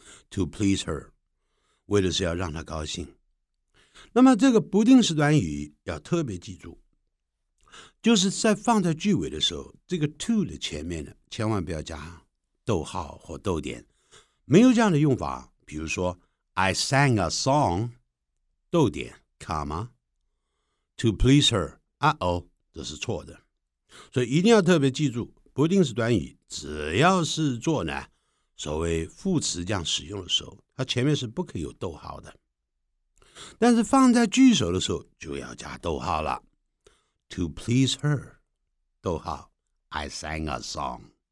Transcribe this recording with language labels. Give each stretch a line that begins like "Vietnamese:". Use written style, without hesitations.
English: To please her，
Chinese: 为的是要让她高兴。那么这个不定式短语要特别记住，就是在放在句尾的时候，这个 to 的前面呢，千万不要加逗号或逗点，没有这样的用法。比如说
English: I sang a song，
Chinese: 逗点comma
English: To please her，
Chinese: 这是错的。所以一定要特别记住，不定式短语只要是做呢所谓副词这样使用的时候，它前面是不可以有逗号的，但是放在句首的时候就要加逗号了。
English: To please her，
Chinese: 逗号
English: I sang a song。